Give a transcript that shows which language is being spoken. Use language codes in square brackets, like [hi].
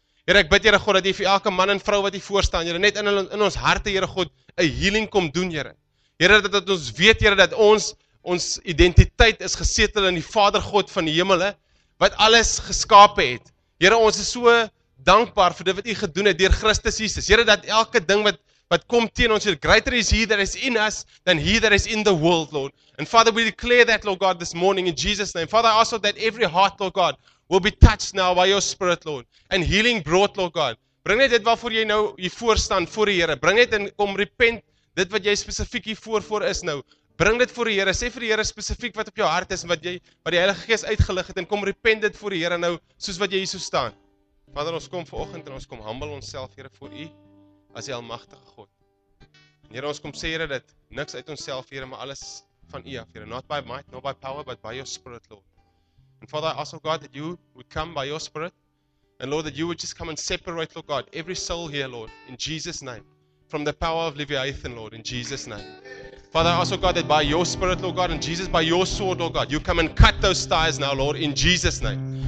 [af] Here, ek bid, Here God, dat U vir elke man en vrou wat hier voor staan, Here, net in ons harte, Here God, 'n healing kom doen, Here. Here, dat ons weet, Here, dat ons identiteit is gesetel in die Vader God van die hemele, wat alles geskape het. Here, ons is so dankbaar vir dit wat U gedoen het deur Christus Jesus. Here, dat elke ding wat kom teen ons, [en] greater is He that is in us than He that is in the world, Lord. And Father, we declare that, Lord God, this morning in Jesus' name. Father, I ask that every heart, Lord God, will be touched now by Your Spirit, Lord, and healing brought, Lord God. [af] Bring net dit waarvoor jy nou hier voor staan voor die Here. Bring net en kom repent dit wat jy spesifiek hier voor is nou. Bring dit voor die Here. Sê vir die Here spesifiek wat op jou hart is en wat die Heilige Gees uitgelig het en kom repent dit voor die Here nou soos wat jy hier so staan. Vader, ons kom vanoggend en ons kom humble onsself, Here, voor U as die almagtige God. En Here, ons kom sê, Here, dat niks uit onsself, Here, maar alles van U af, Here. [en] Not by might, not by power, but by Your Spirit, Lord. And Father, I ask, oh God, that You would come by Your Spirit. And Lord, that You would just come and separate, Lord God, every soul here, Lord, in Jesus' name, from the power of Leviathan, Lord, in Jesus' name. Father, I ask, oh God, that by Your Spirit, Lord God, and Jesus, by Your sword, Lord God, You come and cut those ties now, Lord, in Jesus' name.